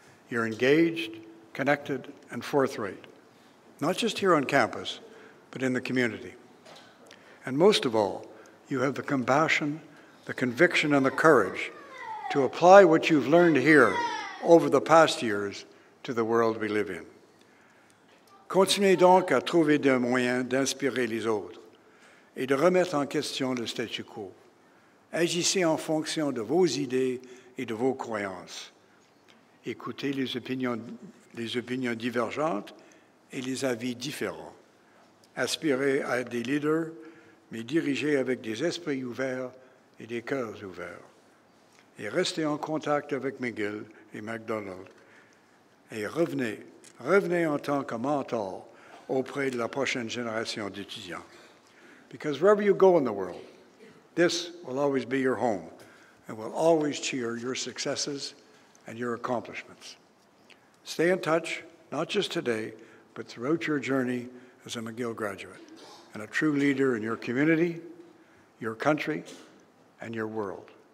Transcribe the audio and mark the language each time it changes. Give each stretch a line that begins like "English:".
English: You're engaged, connected, and forthright, not just here on campus, but in the community. And most of all, you have the compassion, the conviction, and the courage to apply what you've learned here over the past years to the world we live in.
French: Continuez donc à trouver des moyens d'inspirer les autres et de remettre en question le statu quo. Agissez en fonction de vos idées et de vos croyances. Écoutez les opinions divergentes et les avis différents. Aspirez à être des leaders, mais dirigez avec des esprits ouverts et des cœurs ouverts. Et restez en contact avec McGill et McDonald. Et revenez en tant que mentor auprès de la prochaine génération d'étudiants.
English: Because wherever you go in the world, this will always be your home and will always cheer your successes and your accomplishments. Stay in touch, not just today, but throughout your journey as a McGill graduate and a true leader in your community, your country, and your world.